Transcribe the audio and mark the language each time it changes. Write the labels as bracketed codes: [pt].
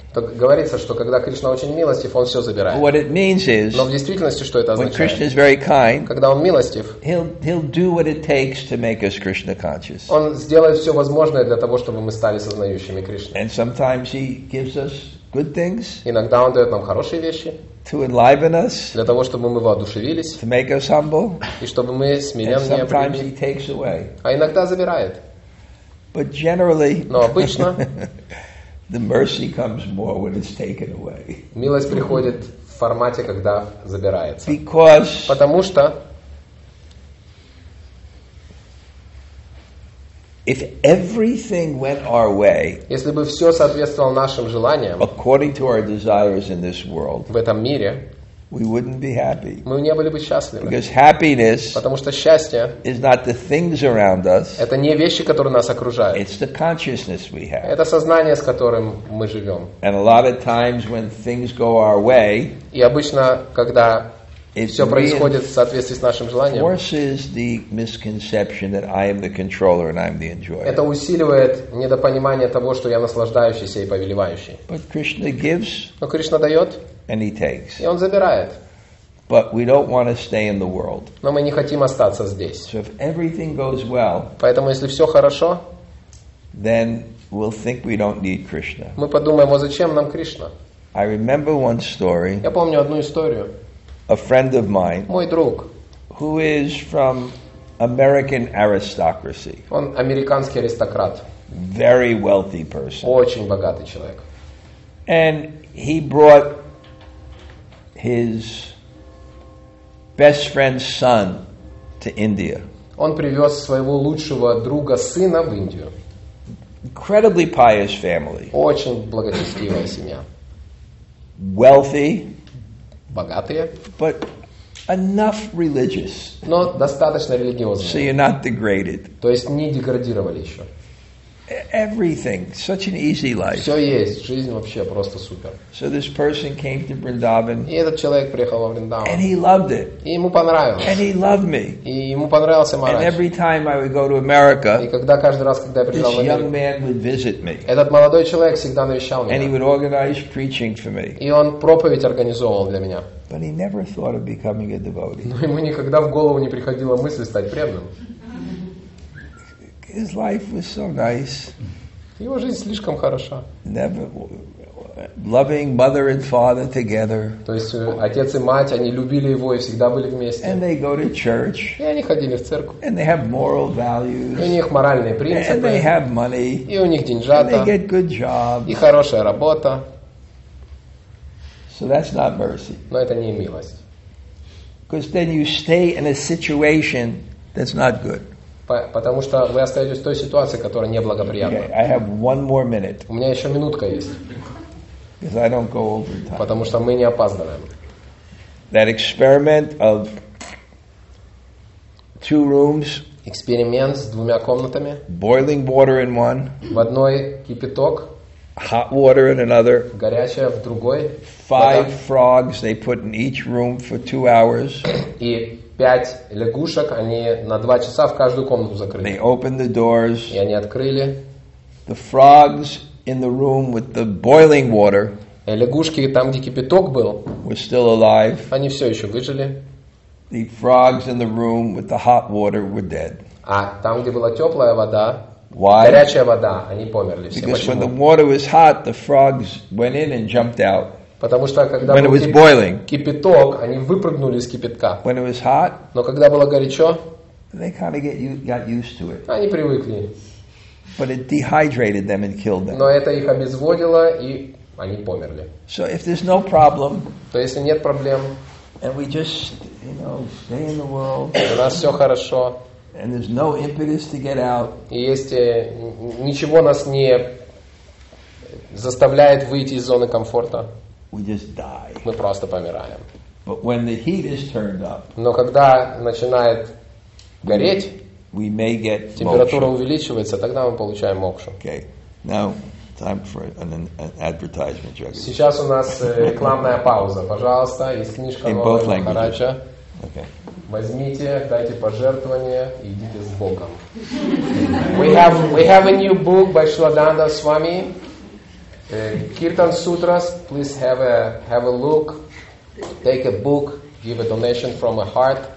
[ru] Говорится, что когда Кришна очень милостив, он все забирает. [en] What it means is, [ru] но в действительности, что это означает? [en] When Krishna is very kind, [ru] когда он милостив, [en] he'll do what it takes to make us Krishna conscious. [ru] Он сделает все возможное для того, чтобы мы стали сознающими Кришны. [en] And sometimes he gives us good things. [ru] Иногда он дает нам хорошие вещи. [en] To enliven us, [ru] для того, чтобы мы воодушевились, [en] to make us humble, [ru] и чтобы мы смиренные были, а иногда забирает. [en] But generally, [ru] но обычно, [en] the mercy comes more when it's taken away. [ru] Милость приходит в формате, когда забирается. [en] Because, [ru] потому что, [en] if everything went our way, [ru] если бы все соответствовало нашим желаниям, [en] according to our desires in this world, [ru] в этом мире, [en] we wouldn't be happy. [ru] Мы не были бы счастливы. [en] Because happiness, [ru] потому что счастье, [en] is not the things around us, [ru] это не вещи, которые нас окружают. [en] It's the consciousness we have. [ru] Это сознание, с которым мы живем. [en] And a lot of times when things go our way, [ru] и обычно, когда [en] it [ru] все происходит в соответствии с нашим желанием. [en] Forces the misconception that I am the controller and I'm the enjoyer. [ru] Это усиливает недопонимание того, что я наслаждающийся и повелевающий. [en] But Krishna gives. [ru] Но Кришна дает. [en] And he takes. [ru] И он забирает. [en] But we don't want to stay in the world. [ru] Но мы не хотим остаться здесь. [en] So if everything goes well. [ru] Поэтому если все хорошо. [en] Then we'll think we don't need Krishna. [ru] Мы подумаем, о зачем нам Кришна? [en] I remember one story. [ru] Я помню одну историю. [en] A friend of mine, [ru] мой друг, [en] who is from American aristocracy, [ru] он американский аристократ, [en] very wealthy person, [ru] очень богатый человек, [en] and he brought his best friend's son to India. [ru] Он привез своего лучшего друга сына в Индию. [en] Incredibly pious family. [ru] Очень благочестивая семья. [en] Wealthy. [ru] Богатые. [en] But enough religious. [ru] Но достаточно религиозные. [en] So you're not degraded. [ru] То есть не деградировали еще. [en] Everything. Such an easy life. [ru] Все есть. Жизнь вообще просто супер. [en] So this person came to Vrindavan. [ru] И этот человек приехал во Вриндаван. [en] And he loved it. [ru] И ему понравилось. [en] And he loved me. [ru] И ему понравился Махарадж. [en] And every time I would go to America, [ru] и когда каждый раз, когда я приезжал в Америку, [en] this young man would visit me. [ru] Этот молодой человек всегда навещал меня. [en] And he would organize preaching for me. [ru] И он проповедь организовывал для меня. [en] But he never thought of becoming a devotee. [ru] Но ему никогда в голову не приходила мысль стать преданным. [en] His life was so nice. [ru] Его жизнь слишком хороша. [en] Never, loving mother and father together. [ru] То есть отец и мать, они любили его и всегда были вместе. [en] And they go to church. [ru] И они ходили в церковь. [en] And they have moral values. [ru] И у них моральные принципы. [en] And they have money. [ru] И у них деньжата. [en] And they get good jobs. [ru] И хорошая работа. [en] So that's not mercy. [ru] Но это не милость. [en] Because then you stay in a situation that's not good. [ru] Потому что вы остаетесь в той ситуации, которая неблагоприятна. [en] Okay, I have one more minute. [ru] У меня еще минутка есть. [en] Because I don't go over time. [ru] Потому что мы не опаздываем. [en] That experiment of two rooms. [ru] Эксперимент с двумя комнатами. [en] Boiling water in one. [ru] В одной кипяток. [en] Hot water in another. [ru] Горячая в другой. [en] Five frogs they put in each room for 2 hours. [ru] И пять лягушек, они на 2 часа в каждую комнату закрыли. [en] They opened the doors. [ru] И они открыли. [en] The frogs in the room with the boiling water. [ru] И лягушки там, где кипяток был. [en] Were still alive. [ru] Они все еще выжили. [en] The frogs in the room with the hot water were dead. [ru] А там, где была теплая вода. [en] Why? [ru] Горячая вода, они померли все. [en] Because [ru] почему? [en] When the water was hot, the frogs went in and jumped out. [ru] Потому что когда [en] when it was boiling, [ru] кипяток, они выпрыгнули из кипятка. [en] When it was hot, [ru] но когда было горячо, [en] they kinda got used to it. [ru] Они привыкли. [en] But it dehydrated them and killed them. [ru] Но это их обезводило, и они померли. [en] So if there's no problem, [ru] то если нет проблем, [en] and we just, you know, stay in the world, [ru] у нас все хорошо, [en] and there's no impetus to get out, [ru] и есть, ничего нас не заставляет выйти из зоны комфорта, [en] we just die. [ru] Мы просто помираем. [en] But when the heat is turned up, [ru] но когда начинает гореть, [en] we may get [ru] температура moksha. Увеличивается, тогда мы получаем мокшу. [en] Okay. Now time for an advertisement, Jagadish. [ru] Сейчас у нас рекламная пауза. Пожалуйста, есть книжка Нового Махараджа. [en] Okay. [ru] Возьмите, дайте пожертвование и идите с Богом. [en] We have a new book by Шиладанда Свами. Kirtan Sutras, please have a look, take a book, give a donation from a heart.